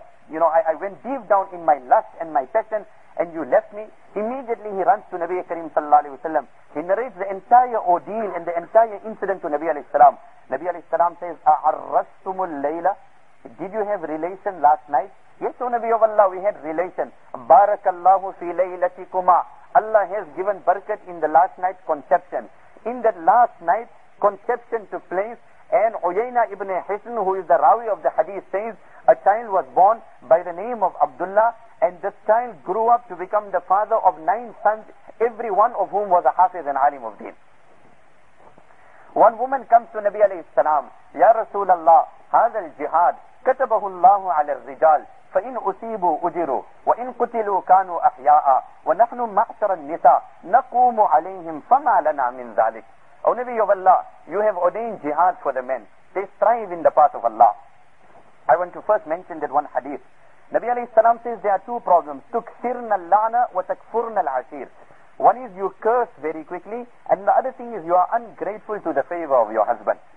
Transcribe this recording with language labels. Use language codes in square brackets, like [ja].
[en] You know, I went deep down in my lust and my passion and you left me. Immediately he runs to Nabi Karim sallallahu alayhi wa sallam. He narrates the entire ordeal and the entire incident to Nabi alayhi salam. Nabi alayhi salam says, [ar] أَعَرَّسْتُمُ اللَّيْلَ. [en] Did you have relation last night? Yes, O Nabi of Allah, we had relation. [ar] بَارَكَ fi لَيْلَتِكُمَا. [en] Allah has given barakat in the last night conception. In that last night, conception took place and Uyayna ibn Hisn, who is the rawi of the hadith, says, a child was born by the name of Abdullah and this child grew up to become the father of 9 sons, every one of whom was a hafiz and alim of deen. One woman comes to Nabi alayhi salam, Ya Rasulallah, [ar] هذا الجهاد كتبه الله على الرجال فإن أصيبوا أجروا وإن قتلوا كانوا أحياء ونحن معشر النساء نقوم عليهم فما لنا من ذلك. [en] O Nabi of Allah, you have ordained jihad for the men. They strive in the path of Allah. I want to first mention that one hadith. Nabi alayhi salam says there are two problems. [ar] تُكْثِرْنَ اللَّعْنَ وَتَكْفُرْنَ الْعَشِيرِ. [en] One is you curse very quickly and the other thing is you are ungrateful to the favor of your husband.